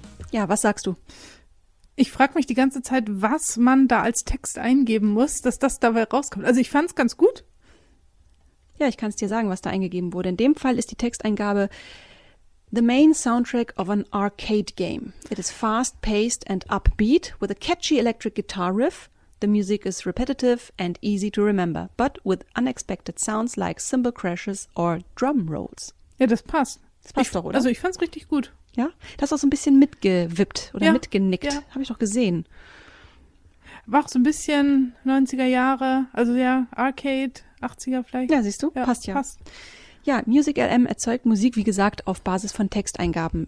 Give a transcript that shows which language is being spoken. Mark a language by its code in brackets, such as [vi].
[de] Ja, was sagst du? Ich frage mich die ganze Zeit, was man da als Text eingeben muss, dass das dabei rauskommt. Also ich fand es ganz gut. Ja, ich kann es dir sagen, was da eingegeben wurde. In dem Fall ist die Texteingabe [en] The main soundtrack of an arcade game. It is fast-paced and upbeat with a catchy electric guitar riff. The music is repetitive and easy to remember, but with unexpected sounds like cymbal crashes or drum rolls. [de] Ja, das passt. Das passt doch, oder? Also ich fand es richtig gut. Ja, du hast auch so ein bisschen mitgewippt oder ja, mitgenickt. Ja. Habe ich doch gesehen. War auch so ein bisschen 90er Jahre, also ja, Arcade, 80er vielleicht. Ja, siehst du, ja, passt ja. Passt. Ja, Music LM erzeugt Musik, wie gesagt, auf Basis von Texteingaben.